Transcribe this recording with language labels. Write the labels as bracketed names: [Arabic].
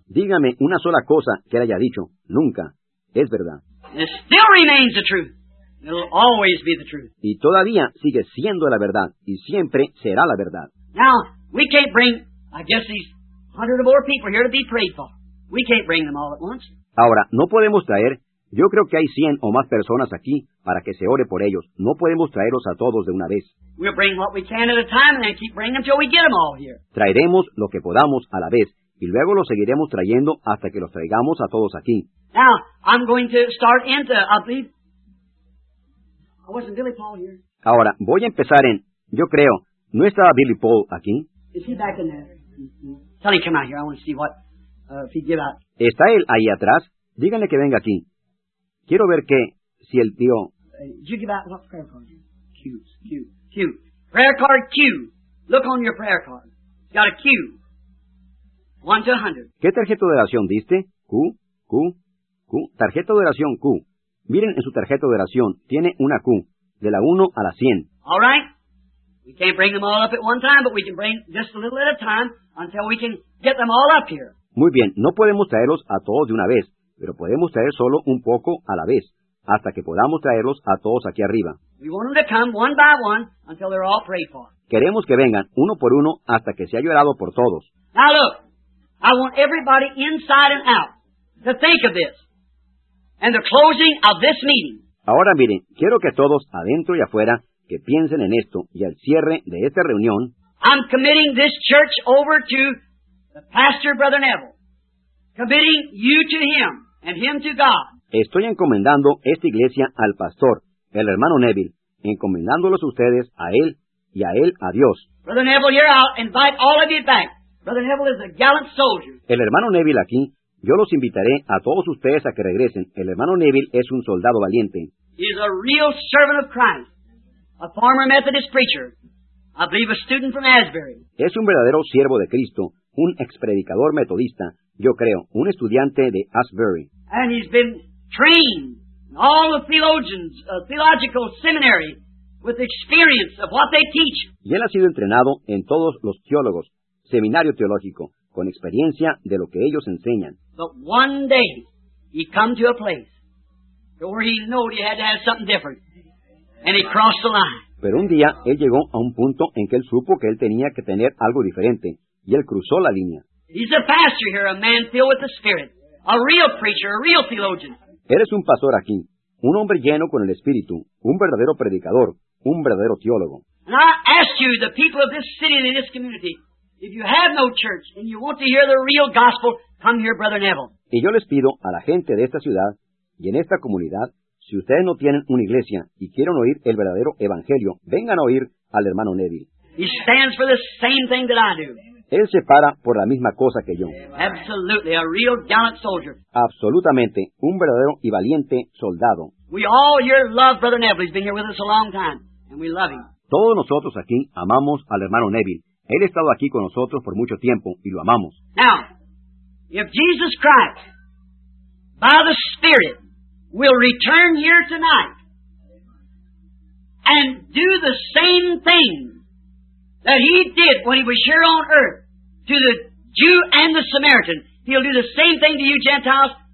[Spanish] Dígame una sola cosa que él haya dicho. Nunca. Es verdad. [English] It still remains the truth. It'll always be the truth. [Spanish] Y todavía sigue siendo la verdad, y siempre será la verdad. [English] Now, we can't bring, I guess, these 100 or more people here to be prayed for. We can't bring them all at once. [Spanish] Ahora, no podemos traer, yo creo que hay 100 o más personas aquí para que se ore por ellos. No podemos traerlos a todos de una vez. [English] We'll bring what we can at a time and then keep bringing them until we get them all here. [Spanish] Traeremos lo que podamos a la vez, y luego los seguiremos trayendo hasta que los traigamos a todos aquí. [English] Now, I'm going to start into, I believe, I wasn't Billy Paul here. [Spanish] Ahora, voy a empezar en, yo creo, ¿no estaba Billy Paul aquí? [English] Is he back in there? Tell him to come out here. I want to see what, if he'd give out. [Spanish] ¿Está él ahí atrás? Díganle que venga aquí. Quiero ver que, si el tío... [English] Did you give out what prayer card? Q. Prayer card Q. Look on your prayer card. It's got a Q. 1 to 100. [Spanish] ¿Qué tarjeta de oración diste? Q, Q, Q. Tarjeta de oración Q. Miren en su tarjeta de oración. Tiene una Q. De la 1 a la 100. [English] All right. We can't bring them all up at one time, but we can bring just a little at a time until we can get them all up here. [Spanish] Muy bien. No podemos traerlos a todos de una vez, pero podemos traer solo un poco a la vez, hasta que podamos traerlos a todos aquí arriba. [English] We want them to come one by one until they're all prayed for. [Spanish] Queremos que vengan uno por uno hasta que se haya llorado por todos. [English] Now look, I want everybody inside and out to think of this and the closing of this meeting. [Spanish] Ahora miren, quiero que todos adentro y afuera que piensen en esto y al cierre de esta reunión. [English] I'm committing this church over to the pastor, Brother Neville. Committing you to him and him to God. [Spanish] Estoy encomendando esta iglesia al pastor, el hermano Neville, encomendándolos ustedes a él y a él a Dios. [English] Brother Neville, here I'll invite all of you back. Brother Neville is a gallant soldier. [Spanish] El hermano Neville aquí, yo los invitaré a todos ustedes a que regresen. El hermano Neville es un soldado valiente. [English] He is a real servant of Christ, a former Methodist preacher, I believe a student from Asbury. [Spanish] Es un verdadero siervo de Cristo, un expredicador metodista, yo creo, un estudiante de Asbury. [English] And he's been trained in all the theologians, theological seminary, with experience of what they teach. [Spanish] Y él ha sido entrenado en todos los teólogos, seminario teológico, con experiencia de lo que ellos enseñan. [English] But one day, he come to a place where he knew he had to have something different. And he crossed the line. [Spanish] Pero un día, él llegó a un punto en que él supo que él tenía que tener algo diferente. Y él cruzó la línea. [English] He's a pastor here, a man filled with the Spirit. A real preacher, a real theologian. [Spanish] Él es un pastor aquí. Un hombre lleno con el Espíritu. Un verdadero predicador. Un verdadero teólogo. [English] And I ask you, the people of this city and in this community, if you have no church and you want to hear the real gospel, come here, Brother Neville. [Spanish] Y yo les pido a la gente de esta ciudad y en esta comunidad, si ustedes no tienen una iglesia y quieren oír el verdadero evangelio, vengan a oír al hermano Neville. [English] He stands for the same thing that I do. [Spanish] Él se para por la misma cosa que yo. [English] Absolutely, a real gallant soldier. [Spanish] Absolutamente, un verdadero y valiente soldado. [English] We all here love Brother Neville. He's been here with us a long time, and we love him. [Spanish] Todos nosotros aquí amamos al hermano Neville. Él ha estado aquí con nosotros por mucho tiempo y lo amamos. [English] Now, if Jesus Christ, by the Spirit, will return here tonight and do the same thing that he did when he was here on earth to the Jew and the Samaritan, he'll do the same thing to you Gentiles.